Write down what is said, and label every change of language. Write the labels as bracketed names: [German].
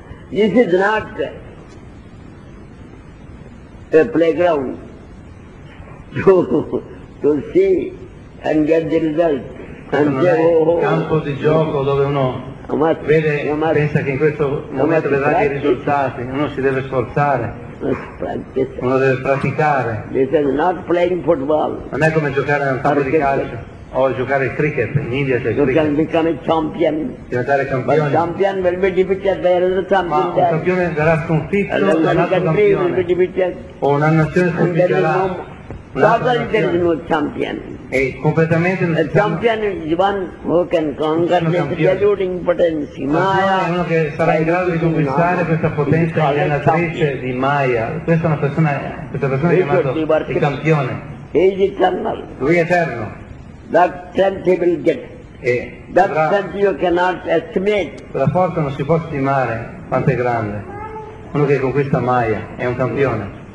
[English] This is not a playground to see and get the result. [Italian] Questo non è un campo di gioco dove uno vede, pensa che in questo momento verrà i risultati. Uno si deve sforzare. Uno deve praticare. [English] This is not playing football. [Italian] Non è come giocare a un campo di calcio. o giocare il cricket, in India c'è il [English] you [Italian] cricket. [English] Can become a champion. [Italian] Diventare campione. [English] But champion will be defeated by another champion. [Italian] Ma un campione verrà sconfitto da un altro campione. O una nazione sconfiggerà. [English] There is no champion. [Italian] Completamente [English] a champion is one who can conquer this deluding impotence, Maya. [Italian] Uno che sarà in grado di conquistare questa potenza allenatrice di Maya. Questa è una persona, questa persona è chiamata il campione. [English] He is eternal. [Italian] Lui è eterno. [English] That strength he will get. That strength you cannot estimate. [Italian] La forza non si può stimare quanto è grande. Uno che conquista Maya è un campione.